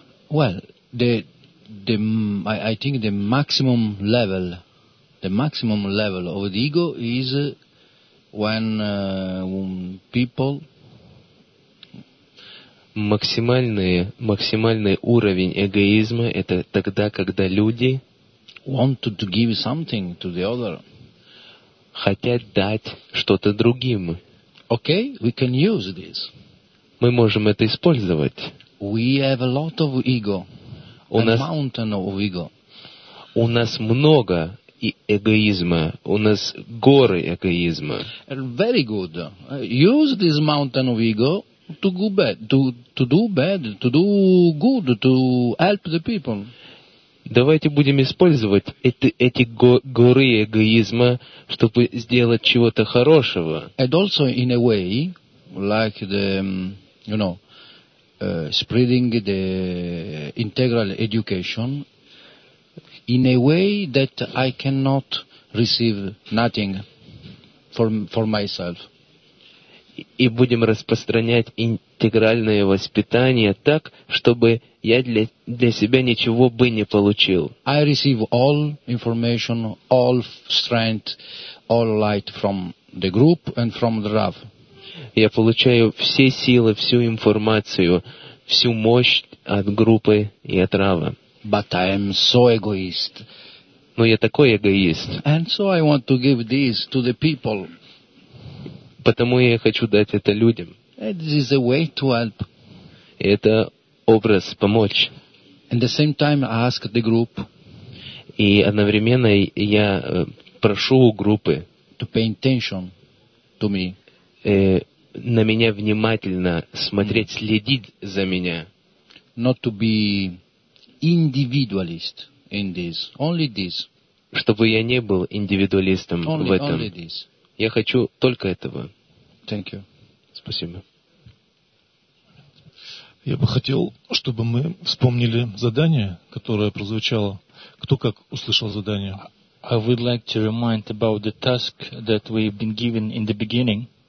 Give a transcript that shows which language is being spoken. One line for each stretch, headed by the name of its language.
English: Well, I think the maximum level of the ego is when people.
Russian: Максимальный уровень эгоизма это тогда, когда люди
English: want to give something to the other.
Russian: Хотят дать что-то другим.
English: Okay, we can use this.
Russian: Мы можем это использовать.
English: We have a lot of ego, mountain of ego.
Russian: У нас много эгоизма, у нас горы эгоизма.
English: Very good. Use this mountain of ego to do good, to help the people.
Russian: Давайте будем использовать эти горы эгоизма, чтобы сделать чего-то хорошего.
English: And also in a way, like the, you know, spreading the integral education in a way that I cannot receive nothing for myself.
Russian: И будем распространять интегральное воспитание так, чтобы я для себя ничего бы не получил.
English: I receive all information, all strength, all light from the group and from the Rav.
Russian: Я получаю все силы, всю информацию, всю мощь от группы и от Рава.
English: But I am so egoist.
Russian: Но я такой эгоист.
English: And so I want to give this to the people.
Russian: Потому я хочу дать это людям.
English: This is a way to help.
Russian: Это образ помочь.
English: At the same time, ask the group.
Russian: И одновременно я прошу у группы
English: to pay attention to me.
Russian: На меня внимательно смотреть, следить за меня.
English: Not to be individualist in this. Only this.
Russian: Чтобы я не был индивидуалистом
English: only,
Russian: в этом.
English: Only this.
Russian: Я хочу только этого.
English: Thank you.
Russian: Спасибо. Я бы хотел, чтобы мы вспомнили задание, которое прозвучало. Кто как услышал задание?
English: I would like to remind about the task that we've been given in the beginning.